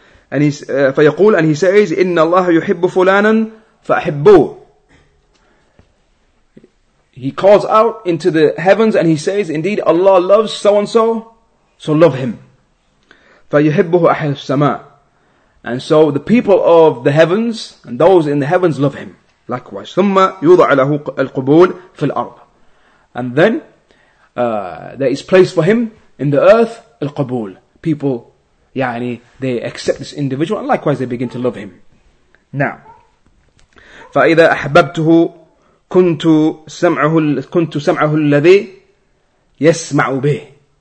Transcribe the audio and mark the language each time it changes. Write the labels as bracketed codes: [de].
[en] And he [ar] فيقول, [en] and he says, [ar] إن الله يحب فلانا فأحبوه. [en] He calls out into the heavens and he says, indeed Allah loves so and so, so love him. [ar] فيحبه أهل السماء. [en] And so the people of the heavens and those in the heavens love him. Likewise. [ar] ثم يوضع له القبول في الأرض. [en] And then there is place for him in the earth, al-qabul. People, يعني, they accept this individual, and likewise they begin to love him. Now, [ar] فَإِذَا أَحْبَبْتُهُ كُنْتُ سَمْعَهُ الَّذِي يَسْمَعُ بِهِ.